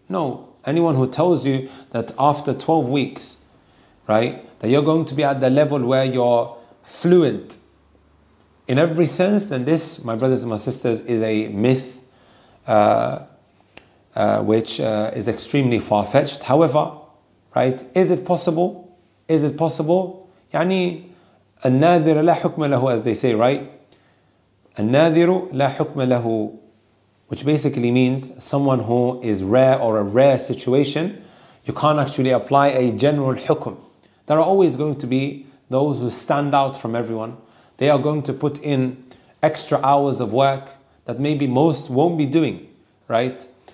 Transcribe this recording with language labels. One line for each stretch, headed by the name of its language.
English: No, anyone who tells you that after 12 weeks, right, that you're going to be at the level where you're fluent in every sense, then this, my brothers and my sisters, is a myth which is extremely far-fetched. However, right, is it possible? Is it possible?
Arabic: يعني النادر لا حكم له, as they say, right? النادر لا حكم له,
English: which basically means someone who is rare or a rare situation, you can't actually apply a general hukum. There are always going to be those who stand out from everyone. They are going to put in extra hours of work that maybe most won't be doing, right?